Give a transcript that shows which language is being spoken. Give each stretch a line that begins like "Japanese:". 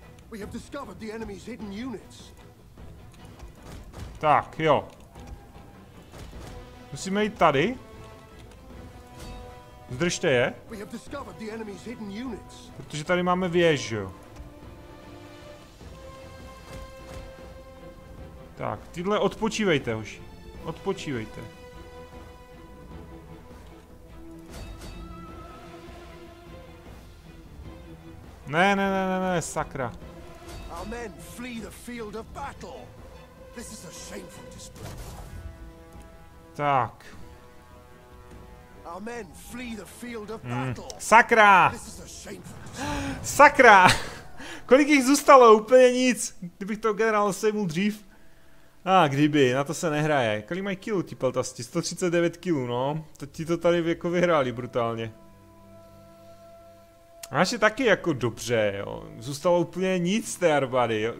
English: We have discovered the enemy's hidden units.
Czech: Tak, jo. Musíme jít tady. Zdržte je.
English: We have discovered the enemy's hidden units.
Czech: Protože tady máme věž, jo. Tak, tyhle odpočívejte, hoši. Odpočívejte. Ne, sakra.
English: Our men flee the field of battle. This is a shameful display.
Czech: Tak.
English: Our men flee the field of battle.
Czech: Sakra.
English: This is a shameful display.
Czech: Sakra. Kolik jich zůstalo? Úplně nic. Kdybych to generál sejmul dřív. A kdyby, na to se nehraje. Kolik mají killů ti peltasti? 139 killů, no. To ti to tady jako vyhráli brutálně. A naše taky jako dobře, jo. Zůstalo úplně nic z té armády.